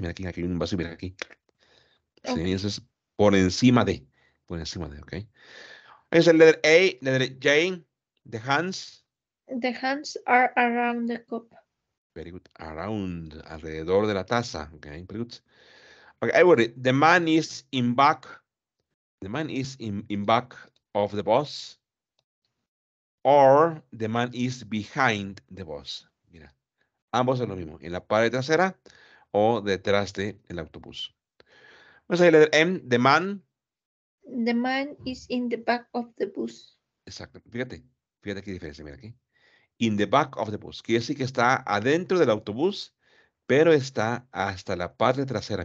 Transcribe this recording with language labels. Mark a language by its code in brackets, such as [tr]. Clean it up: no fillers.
[es] Mira aquí hay un vacío, mira aquí. Sí, Okay. eso es por encima de, ¿ok? Es el letter A, letter J, [en] the hands. The hands are around the cup. Very good, around, [es] alrededor de la taza, ¿ok? [en] Very good. Ok, I worry, the man is in back, the man is in back of the bus. Or the man is behind the bus. [es] Mira, ambos son lo mismo. En la parte trasera o detrás del autobús. Vamos a leer M, [en] the man. The man is in the back of the bus. [es] Exacto. Fíjate. Fíjate qué diferencia. Mira aquí. [en] In the back of the bus. [es] Quiere decir que está adentro del autobús, pero está hasta la parte trasera.